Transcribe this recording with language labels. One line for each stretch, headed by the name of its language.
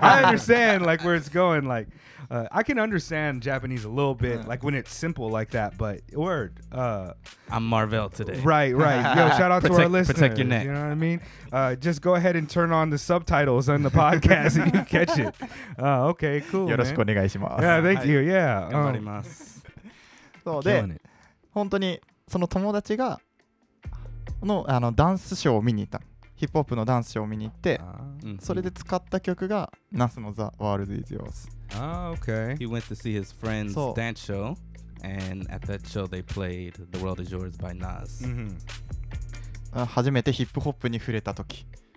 English: I understand like where it's going. Like, I can understand Japanese a little bit, like when it's simple like that. But word, I'm Marvel today. Right. Yo, shout out to our listeners. Protect your neck. You know what I mean? Just go ahead and turn on the subtitles on the podcast and you catch it. Okay, cool.
Japanese: よろしくお願いします.
English: Yeah, thank you. Yeah.
Japanese: 頑張ります. そうで、本当にその友達が の, あのダンスショーを見に行った。ヒップホップのダンスショーを見に行って、それで使った曲が那須の The World is Yours。
English: Okay. He went to see his friend's dance show, and at that show they played The World is Yours by Nas. Mm-hmm.
Japanese: 初めてヒップホップに触れた時。